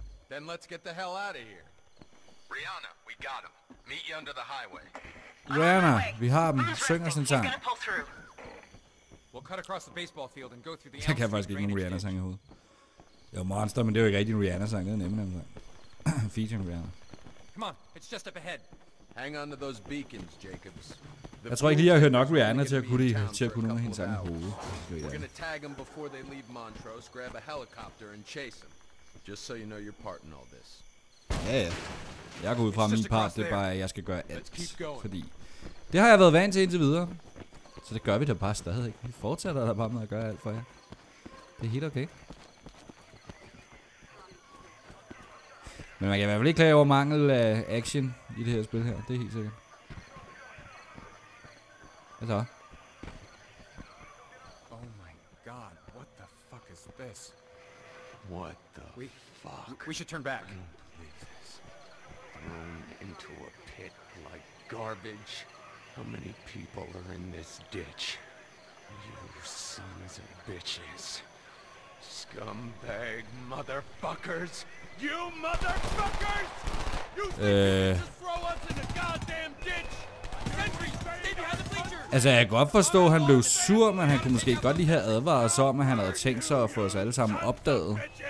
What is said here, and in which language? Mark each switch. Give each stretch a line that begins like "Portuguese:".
English: Then let's get the hell out of here. Rihanna, we got them. Meet you under the highway.
Danish: Rihanna, vi har dem. Synger sin sang.
English: We'll cut across the baseball field and go through the...
Danish: Jeg kan faktisk ikke nogen Rihanna-sang i hovedet. Det var Monster, men det var ikke rigtig en Rihanna-sang. Det er nemme sang. Featuring Rihanna.
English: Come on, it's just up ahead. Hang on to those beacons, Jacobs.
Danish: Jeg tror ikke lige, jeg hørte nok Rihanna til at kunne nogen af hendes egen hoved.
English: We're gonna tag them before they leave Montrose, grab a helicopter and chase them. Just so you know your part in all this.
Danish: Ja, ja. Jeg går ud fra min part, det er bare, at jeg skal gøre alt. Fordi det har jeg været vant til indtil videre. Så det gør vi da bare stadig. Vi fortsætter da bare med at gøre alt for jer. Det er helt okay. Men man kan i hvert fald ikke klage over mangel af action i det her spil her. Det er helt sikkert. Hvad så?
English: Oh my god, what the fuck is this? What the fuck? We should turn back. I don't believe this. Thrown into a pit like garbage. How many people are in this ditch? You sons of bitches. Scumbag motherfuckers. You motherfuckers! You think you can just throw us in a goddamn ditch? Sentry, stay behind the bleachers!
Danish: Altså, jeg kan godt forstå, at han blev sur, men han kunne måske godt lige have advaret os om, at han havde tænkt sig at få os alle sammen opdaget.